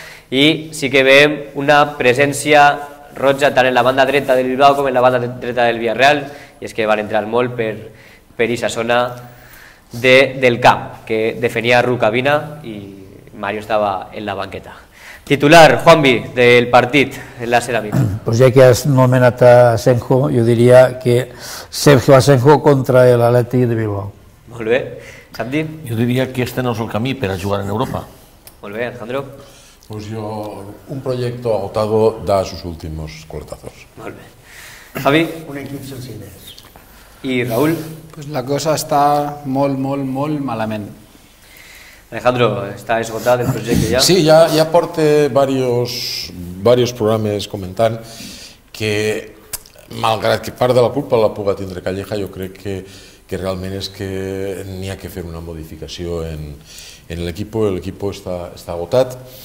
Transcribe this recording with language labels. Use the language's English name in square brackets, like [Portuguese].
[Catalan] I sí que veiem una presència roja tant en la banda dreta del Bilbao com en la banda dreta del Villarreal, i és que van entrar molt per aquesta zona del camp, que defenia Rucavina i Mario estava en la banqueta. Titular, Juanvi, del partit, en la Ceràmica. Doncs ja que has nomenat Asenjo, jo diria que Sergio Asenjo contra l'Atlètic de Bilbao. Molt bé. Santi? Jo diria que este no és el camí per a jugar en Europa. Molt bé, Alejandro. Doncs jo, un projecte [Spanish] agotado de sus últimos coletazos. [Catalan] Molt bé. Javi? Un equip sense idees. I Raül? Doncs la cosa està molt, molt, molt malament. [Spanish] Alejandro, ¿está esgotado el proyecto ya? Sí, ya aporté varios programas comentando que [Catalan] malgrat que part de la culpa la puga tindre Calleja, jo crec que realment és que n'hi ha que fer una modificació en l'equipo, l'equipo està agotat.